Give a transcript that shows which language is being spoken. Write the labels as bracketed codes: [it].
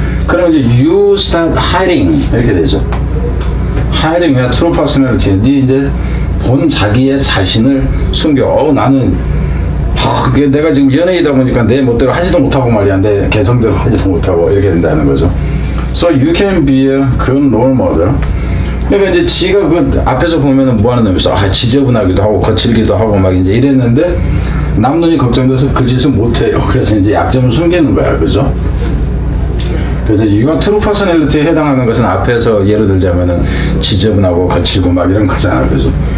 [ko] 그럼 이제 [en] you start hiding [ko] 이렇게 되죠. [en] Hiding [ko] 그냥 [en] true personality. [ko] 네 이제 본 자기의 자신을 숨겨. 나는 내가 지금 연예인이다 보니까 내 멋대로 하지도 못하고 말이야. 내 개성대로 하지도 못하고 이렇게 된다는 거죠. [en] So you can be a good role model. [ko] 그러니까 이제 지가 그 앞에서 보면은 뭐 하는 놈이서 아 지저분하기도 하고 거칠기도 하고 막 이제 이랬는데 남눈이 걱정돼서 그 짓을 못해요. 그래서 이제 약점을 숨기는 거야, 그죠? 그래서 유아 트루 퍼스널리티에 해당하는 것은 앞에서 예를 들자면은 지저분하고 거칠고 막 이런 거잖아, 그죠?